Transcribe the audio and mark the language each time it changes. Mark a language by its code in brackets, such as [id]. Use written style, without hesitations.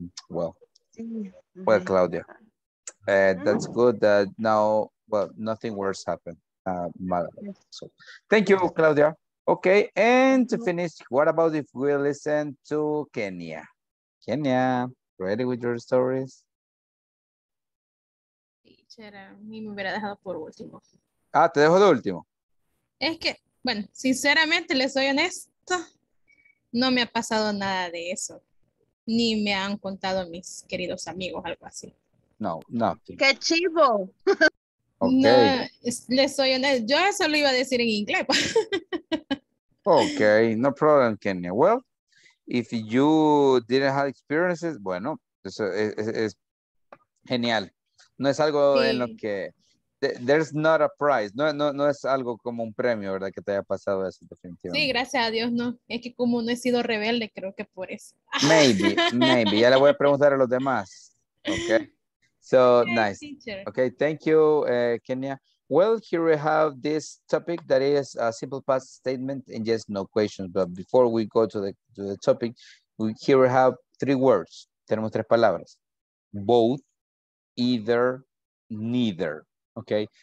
[en] Well, sí. Well, Claudia, that's good that now, well, nothing worse happened. So, thank you, Claudia. Okay, and to finish, what about if we listen to Kenya? Kenya, ready with your stories? [es] Teacher, a mí me hubiera dejado por último. Ah, te dejo de último. Es que, bueno, sinceramente, les soy honesto, no me ha pasado nada de eso. Ni me han contado mis queridos amigos algo así. [en] No, nothing. [es] ¡Qué chivo! [en] Okay. [es] No, les soy honesto. Yo eso lo iba a decir en inglés. [en] Okay, no problem, Kenya. Well, if you didn't have experiences, [es] bueno, eso es genial. No es algo sí. En lo que... [en] There's not a prize. [es] No, no, no es algo como un premio, ¿verdad? Que te haya pasado eso, definitivamente. Sí, gracias a Dios, no. Es que como no he sido rebelde, creo que por eso. [en] Maybe. [es] Ya le voy a preguntar a los demás. [en] Okay. So okay, nice. Teacher. Okay, thank you, Kenya. Well, here we have this topic that is a simple past statement and yes, no questions. But before we go to the topic, here we have three words. [es] Tenemos tres palabras. Both, either, neither. Okay.